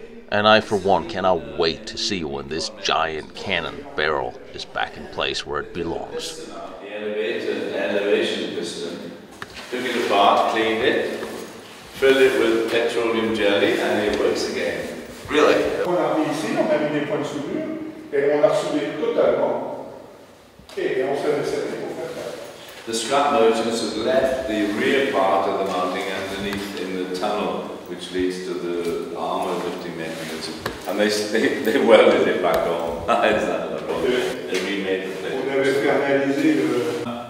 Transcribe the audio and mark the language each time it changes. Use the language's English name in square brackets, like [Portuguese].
[English] And I, for one, cannot wait to see when this giant cannon barrel is back in place where it belongs. The elevator, the elevation piston, took it apart, cleaned it, filled it with petroleum jelly, and it works again. Really? [French] On a mis ici, on a mis des points de soudure, et on a soudé totalement. Et on s'est laissé pour faire ça. [English] The scrap merchants have left the rear part of the mounting underneath in the tunnel, which leads to the armor lifting mechanism. And they welded it back on. Is that the problem? They remade the plate.